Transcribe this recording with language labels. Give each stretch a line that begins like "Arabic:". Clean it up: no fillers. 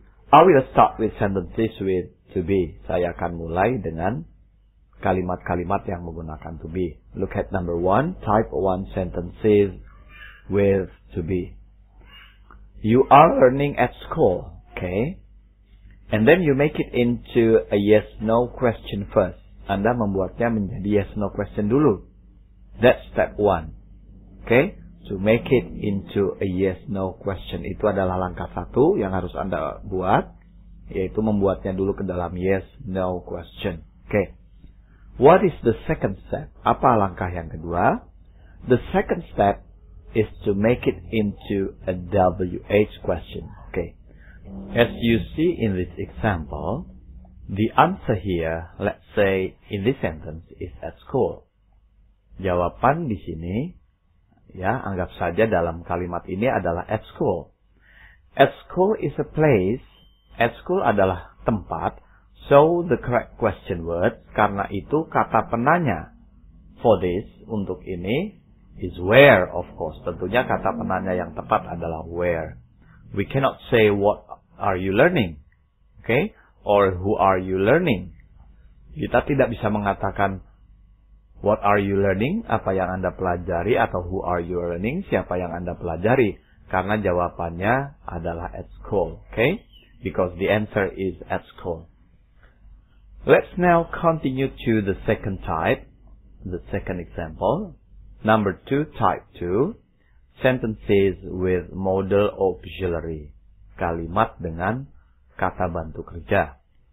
English: I will start with sentences with to be.
Indonesian: Saya akan mulai dengan kalimat-kalimat yang menggunakan to be.
English: Look at number 1, type 1 sentences with to be. You are learning at school, okay? And then you make it into a yes-no question first.
Indonesian: Anda membuatnya menjadi yes no question dulu.
English: That's step one. Okay? To make it into a yes no question.
Indonesian: Itu adalah langkah satu yang harus Anda buat. Yaitu membuatnya dulu ke dalam yes no question.
English: Okay. What is the second step?
Indonesian: Apa langkah yang kedua?
English: The second step is to make it into a WH question. Okay. As you see in this example, the answer here, let's say in this sentence, is at school.
Indonesian: Jawaban di sini, ya, anggap saja dalam kalimat ini adalah at school.
English: At school is a place. At school
Indonesian: adalah tempat.
English: So the correct question word,
Indonesian: karena itu kata penanya
English: for this,
Indonesian: untuk ini,
English: is where, of course.
Indonesian: Tentunya kata penanya yang tepat adalah where.
English: We cannot say what are you learning, okay? Or who are you learning.
Indonesian: Kita tidak bisa mengatakan what are you learning, apa yang Anda pelajari, atau who are you learning, siapa yang Anda pelajari. Karena jawabannya adalah at school, okay?
English: Because the answer is at school. Let's now continue to the second type, the second example. Number two, type two, sentences with modal auxiliary,
Indonesian: kalimat dengan kata bantu kerja.